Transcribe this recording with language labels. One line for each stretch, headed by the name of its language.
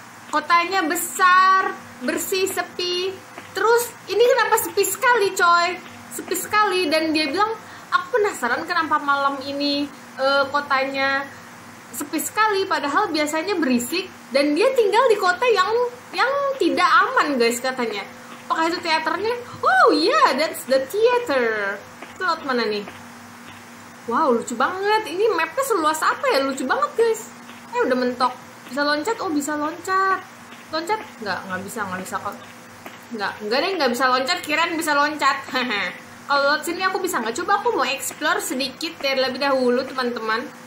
Indonesian: Kotanya besar, bersih, sepi. Terus ini kenapa sepi sekali, coy? Sepi sekali. Dan dia bilang, aku penasaran kenapa malam ini kotanya sepi sekali. Padahal biasanya berisik. Dan dia tinggal di kota yang tidak aman, guys, katanya. Apakah itu teaternya? Oh iya,
English: yeah, that's the theater.
Indonesian: Slot mana nih? Wow, lucu banget. Ini mapnya seluas apa ya? Lucu banget, guys. Udah mentok. Bisa loncat? Oh, bisa loncat. Loncat? Nggak bisa kok. Nggak bisa loncat. Kirain bisa loncat. Kalau sini aku bisa nggak? Coba aku mau explore sedikit terlebih dahulu, teman-teman.